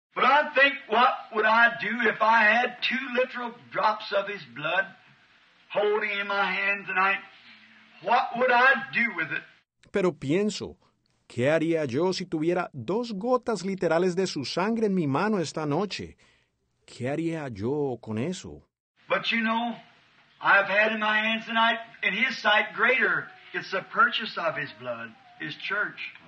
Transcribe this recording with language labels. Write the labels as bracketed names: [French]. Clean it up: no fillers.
[English] But I think, what would I do if I had 2 literal drops of His blood holding in my hand tonight? What would I do with it? [Spanish] Pero pienso, ¿qué haría yo si tuviera 2 gotas literales de su sangre en mi mano esta noche? ¿Qué haría yo con eso? [English] But you know, I've had in my hands tonight, in His sight, greater. It's the purchase of His blood, His church.